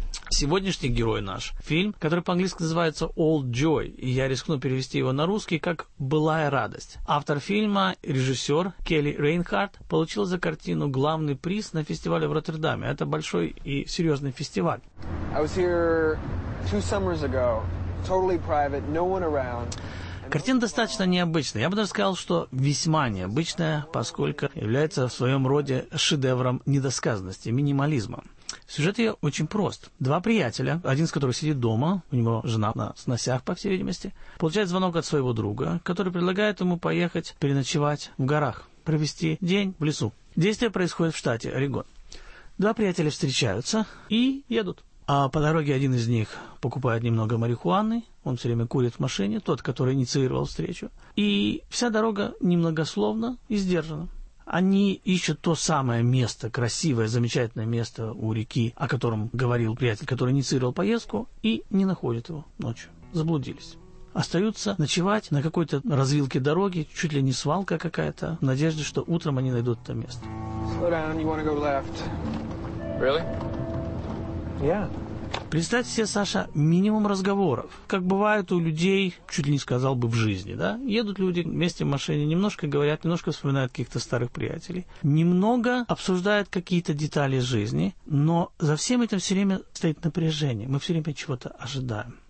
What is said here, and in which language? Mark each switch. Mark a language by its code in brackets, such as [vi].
[ru] Сегодняшний герой наш – фильм, который по-английски называется «Old Joy», и я рискну перевести его на русский как «Былая радость». Автор фильма, режиссер Келли Рейнхарт, получил за картину главный приз на фестивале в Роттердаме. Это большой и серьезный фестиваль. [en] I was here two summers ago, totally private, no one around. [ru] Картина достаточно необычная. Я бы даже сказал, что весьма необычная, поскольку является в своем роде шедевром недосказанности, минимализма. Сюжет ее очень прост. Два приятеля, один из которых сидит дома, у него жена на сносях, по всей видимости, получает звонок от своего друга, который предлагает ему поехать переночевать в горах, провести день в лесу. Действие происходит в штате Орегон. Два приятеля встречаются и едут. А по дороге один из них покупает немного марихуаны, он все время курит в машине, тот, который инициировал встречу. И вся дорога немногословна и сдержана. Они ищут то самое место, красивое, замечательное место у реки, о котором говорил приятель, который инициировал поездку, и не находят его ночью. Заблудились. остаются ночевать на какой-то развилке дороги, чуть ли не свалка какая-то, в надежде, что утром они найдут это место. [en] Slow down, you wanna go left. Really? Yeah. [ru] Представьте себе, Саша, минимум разговоров, как бывает у людей, чуть ли не сказал бы, в жизни, да? Едут люди вместе в машине, немножко говорят, немножко вспоминают каких-то старых приятелей, немного обсуждают какие-то детали жизни, но за всем этим все время стоит напряжение, мы все время чего-то ожидаем.